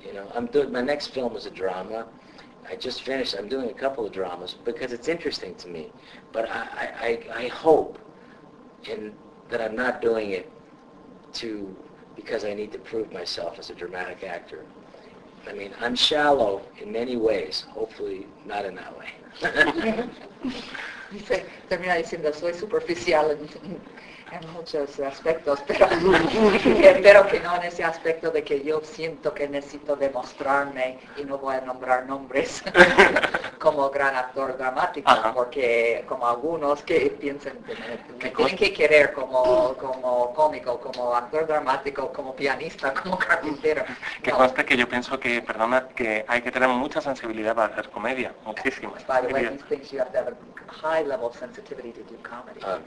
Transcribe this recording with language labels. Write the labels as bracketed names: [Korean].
[English] You know, my next film is a drama. I just finished, I'm doing a couple of dramas because it's interesting to me. But I hope that I'm not doing it because I need to prove myself as a dramatic actor. I mean, I'm shallow in many ways, hopefully not in that way. [Spanish] Dice, termina diciendo, soy superficial en muchos aspectos, pero espero que no en ese aspecto de que yo siento que necesito demostrarme y no voy a nombrar nombres como gran actor dramático, ajá, porque como algunos que piensan que me tienen que querer como cómico, como actor dramático, como pianista, como carpintero. Que no. Conste que yo pienso que, perdona, que hay que tener mucha sensibilidad para hacer comedia, muchísima. [English] By the way, he thinks you have to have a high level of sensitivity to do comedy.